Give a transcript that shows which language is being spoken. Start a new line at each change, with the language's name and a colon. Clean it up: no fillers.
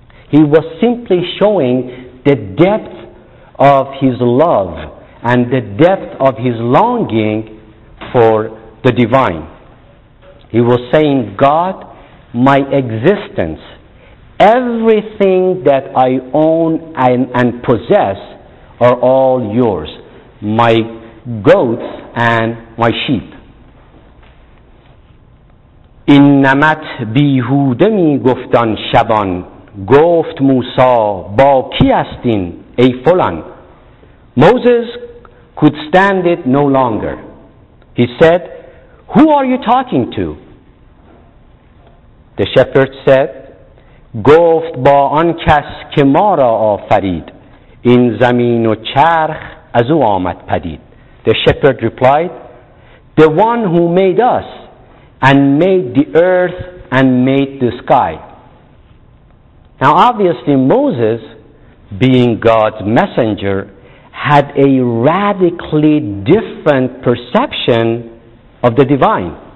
English: He was simply showing the depth of his love and the depth of his longing for the divine. He was saying, God, my existence, everything that I own and possess are all yours, my goats and my sheep.
Persian: این نمت بیهوده می گفتن شبان گفت موسی با کی هستین ای فلان.
English: Moses could stand it no longer. He said, who are you talking to? The shepherd said,
Persian: گفت با آن کس که ما را آفرید این زمین و چرخ از او آمد پدید.
English: The shepherd replied, the one who made us and made the earth and made the sky. Now, obviously, Moses, being God's messenger, had a radically different perception of the divine.